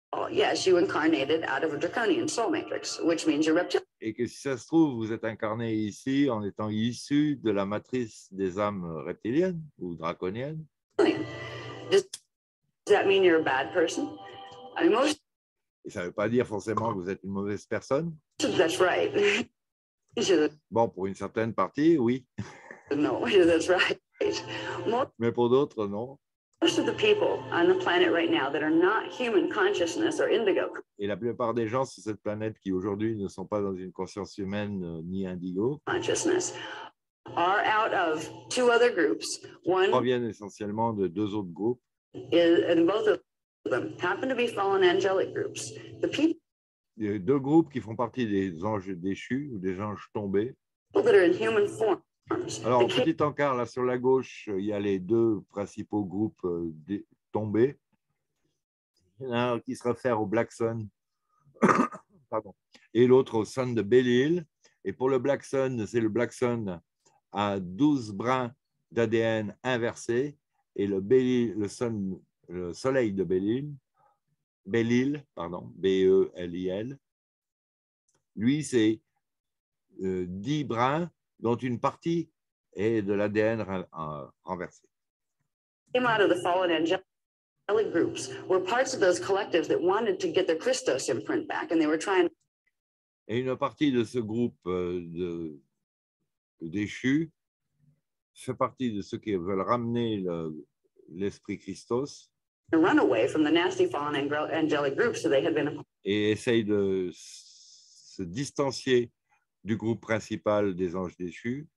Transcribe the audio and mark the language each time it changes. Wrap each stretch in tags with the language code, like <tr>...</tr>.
<en>Yes, you incarnated out of a draconian soul matrix, which means you're reptilian.</en> <fr>Et que si ça se trouve, vous êtes incarné ici en étant issu de la matrice des âmes reptiliennes ou draconiennes.</fr> <en>Does that mean you're a bad person? I mean, most.</en> <fr>Et ça ne veut pas dire forcément que vous êtes une mauvaise personne.</fr> <en>That's right.</en> <fr>Bon, pour une certaine partie, oui.</fr> <en>No, that's right.</en> <fr>Mais pour d'autres, non.</fr> <en>Most of the people on the planet right now that are not human consciousness or indigo.</en> <fr>Et la plupart des gens sur cette planète qui aujourd'hui ne sont pas dans une conscience humaine ni indigo.</fr> <en>Consciousness are out of two other groups. One</en> <fr>proviennent essentiellement de deux autres groupes.</fr> <en>And both of them happen to be fallen angelic groups. The people.</en> <fr>Deux groupes qui font partie des anges déchus ou des anges tombés.</fr> <en>People that are in human form.</en> <fr>Alors, petit encart, là, sur la gauche, il y a les deux principaux groupes tombés. Il y en a un qui se réfère au Black Sun, pardon, et l'autre au Sun de Belle-Île. Et pour le Black Sun, c'est le Black Sun à 12 brins d'ADN inversés, et le Soleil de Belle-Île, pardon, B-E-L-I-L, lui, c'est 10 brins dont une partie et de l'ADN renversé.</fr> <en>Came out of the fallen angelic groups were parts of those collectives that wanted to get their Christos imprint back, and they were trying.</en> <fr>Et une partie de ce groupe de déchus fait partie de ceux qui veulent ramener l'esprit Christos.</fr> <en>Run away from the nasty fallen angelic groups that they had been.</en> <fr>Et essaye de se distancier du groupe principal des anges déchus.</fr>